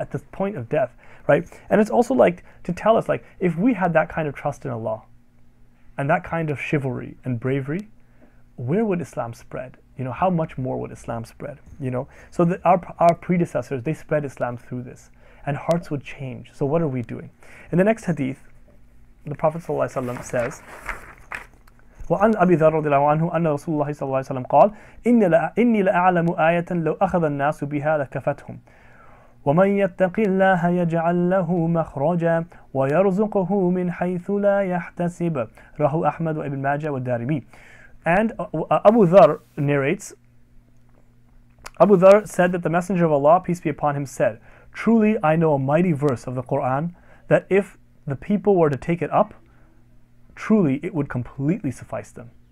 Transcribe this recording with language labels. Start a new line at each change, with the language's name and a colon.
English: At the point of death, right? And it's also like to tell us, like, if we had that kind of trust in Allah and that kind of chivalry and bravery, where would Islam spread? You know, how much more would Islam spread? You know, so that our predecessors, they spread Islam through this, and hearts would change. So what are we doing? In the next hadith, the Prophet ﷺ says,
Arabic: وَعَنْ أَبِي ذَرَّ رَضِيَ اللَّهُ عَنْهُ أَنَّ رَسُولَ اللَّهِ صَلَّى اللَّهُ عَلَيْهِ وَسَلَّمَ قَالَ إِنِّي لَأَعْلَمُ آيَةً لَوْ أَخَذَ النَّاسُ بِهَا لَكَفَتْهُمْ وَمَن يَتَّقِ اللَّهَ يَجْعَل لَّهُ مَخْرَجًا وَيَرْزُقْهُ مِنْ حَيْثُ لَا يَحْتَسِبُ رَوَاهُ أَحْمَدُ وَابْنُ مَاجَهْ وَالدَّارِمِي.
English: And Abu Dharr narrates, Abu Dharr said that the Messenger of Allah, peace be upon him, said, truly I know a mighty verse of the Quran that if the people were to take it up, truly it would completely suffice them.